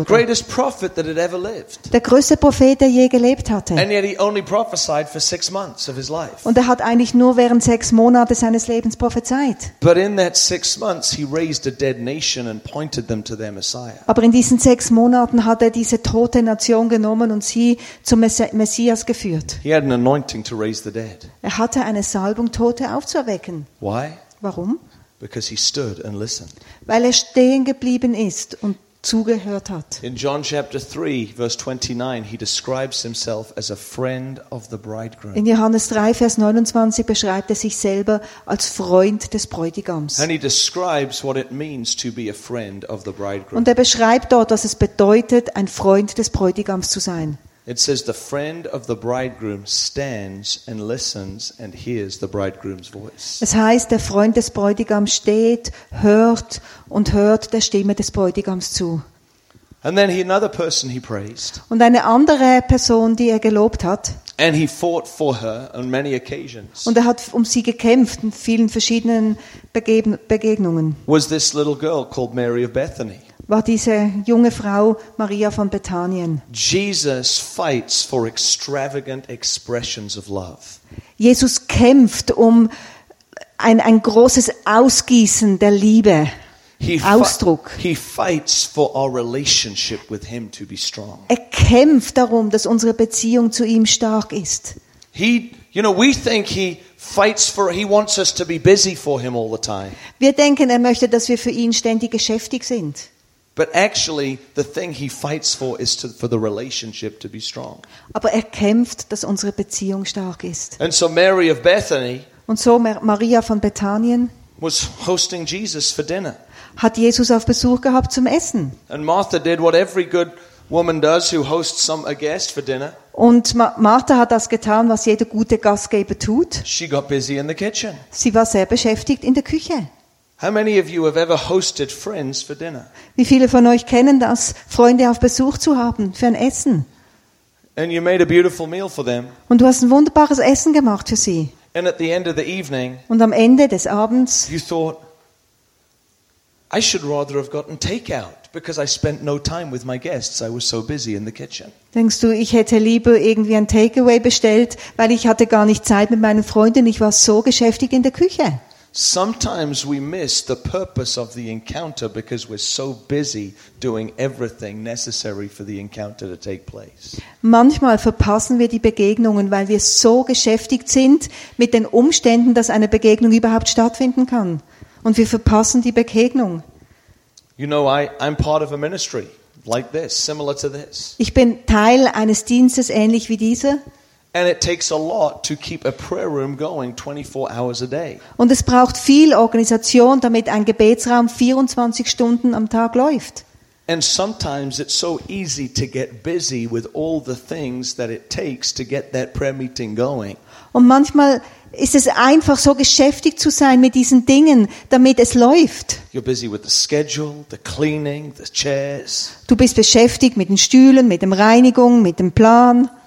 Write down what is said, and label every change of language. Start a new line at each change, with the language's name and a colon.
English: The greatest prophet that had ever lived.
German: Der größte Prophet, der je gelebt hatte.
English: And yet he only prophesied for 6 months of his life.
German: Und er hat eigentlich nur während 6 Monate seines Lebens prophezeit.
English: But in that 6 months he raised a dead nation and pointed them to their Messiah.
German: Aber in diesen 6 Monaten hat er diese tote Nation genommen und sie zum Messias geführt.
English: He had an anointing to raise the dead.
German: Er hatte eine Salbung, Tote aufzuerwecken.
English: Why?
German: Warum?
English: Because he stood and listened.
German: Weil er stehen geblieben ist und zugehört hat.
English: In John chapter 3, verse 29, he describes himself as a friend of the bridegroom.
German: In Johannes 3, Vers 29 beschreibt er sich selber als Freund des Bräutigams.
English: And he describes what it means to be a friend of the bridegroom.
German: Und er beschreibt dort, was es bedeutet, ein Freund des Bräutigams zu sein.
English: It says the friend of the bridegroom stands and listens and hears the bridegroom's voice.
German: Es heißt, der Freund des Bräutigams steht, hört und hört der Stimme des Bräutigams zu.
English: And then another person he praised.
German: Und eine andere Person, die er gelobt hat.
English: And he fought for her on many occasions.
German: Und er hat um sie gekämpft in vielen verschiedenen Begegnungen.
English: Was this little girl called Mary of Bethany?
German: War diese junge Frau Maria von Bethanien.
English: Jesus fights for extravagant expressions of love.
German: Jesus kämpft um ein großes Ausgießen der Liebe. Ausdruck.
English: He fights for our relationship with him to be strong.
German: Er kämpft darum, dass unsere Beziehung zu ihm stark ist.
English: He, you know, we think he fights for, he wants us to be busy for him all the time.
German: Wir denken, er möchte, dass wir für ihn ständig beschäftigt sind.
English: But actually the thing he fights for is for the relationship to be strong.
German: Aber er kämpft, dass unsere Beziehung stark ist.
English: And so Mary of Bethany,
German: und so Maria von Bethanien,
English: was hosting Jesus for dinner.
German: Hat Jesus auf Besuch gehabt zum Essen.
English: And Martha did what every good woman does who hosts a guest for dinner.
German: Und Martha hat das getan, was jede gute Gastgeber tut.
English: She got busy in the kitchen.
German: Sie war sehr beschäftigt in der Küche.
English: How many of you have ever hosted friends for dinner?
German: Wie viele von euch kennen das, Freunde auf Besuch zu haben für ein Essen?
English: And you made a beautiful meal for them.
German: Und du hast ein wunderbares Essen gemacht für sie.
English: And at the end of the evening,
German: und am Ende des Abends,
English: you thought, I should rather have gotten takeout because I spent no time with my guests. I was so busy in the kitchen.
German: Denkst du, ich hätte lieber irgendwie ein Takeaway bestellt, weil ich hatte gar nicht Zeit mit meinen Freunden. Ich war so beschäftigt in der Küche.
English: Sometimes we miss the purpose of the encounter because we're so busy doing everything necessary for the encounter to take place.
German: Manchmal verpassen wir die Begegnungen, weil wir so beschäftigt sind mit den Umständen, dass eine Begegnung überhaupt stattfinden kann. Und wir verpassen die Begegnung.
English: You know, I'm part of a ministry like this, similar to this.
German: Ich bin Teil eines Dienstes ähnlich wie dieser.
English: And it takes a lot to keep a prayer room going 24 hours a day.
German: Und es braucht viel Organisation, damit ein Gebetsraum 24 Stunden am Tag läuft.
English: And sometimes it's so easy to get busy with all the things that it takes to get that prayer meeting going.
German: Und manchmal ist es einfach so geschäftig zu sein mit diesen Dingen, damit es läuft.
English: You're busy with the schedule, the cleaning, the chairs.
German: Du bist beschäftigt mit den Stühlen, mit dem Reinigung, mit dem Plan.